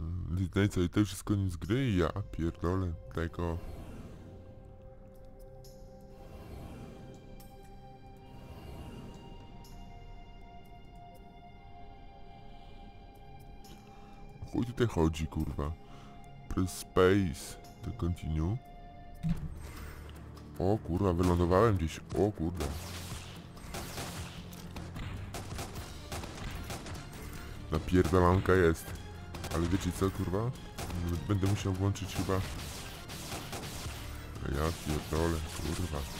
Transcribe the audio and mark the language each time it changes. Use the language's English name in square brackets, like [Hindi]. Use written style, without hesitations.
[Polish] No i co, i to już jest koniec gry? Ja pierdolę tego. Chuj tutaj chodzi kurwa. [English] Press space to continue. [Polish] O kurwa, wylądowałem gdzieś. O kurwa. Napierdalanka jest. Ale wiecie co kurwa? Będę musiał włączyć chyba. Ja pierdolę, kurwa.